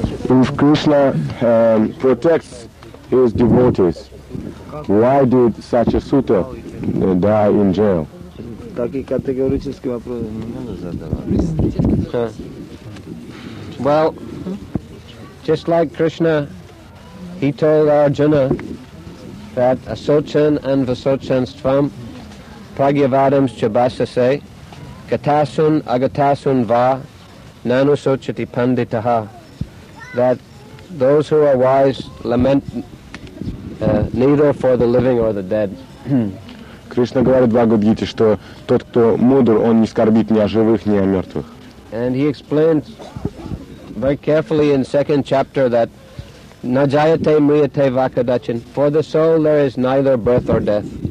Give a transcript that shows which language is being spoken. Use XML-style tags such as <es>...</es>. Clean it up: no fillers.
<en>If Krishna protects his devotees, why did such a sutta die in jail?</en> <ru>Такие категорические вопросы не надо задавать.</ru> <en>Well, just like Krishna, he told Arjuna that</en> <sa>asochan and vasochan stvam Pragyavadams Chabasase, Gatasun Agatasun Va, Nanu Sochati Panditaha,</sa> <en>that those who are wise lament neither for the living or the dead.</en> <ru>Krishna говорит в Бхагавад-гите, что тот, кто мудр, он не скорбит ни о живых, ни о мертвых.</ru> <en>And he explains very carefully in second chapter that</en> <sa>Najayate Mriyate Vakadachin,</sa> <en>for the soul there is neither birth or death.</en>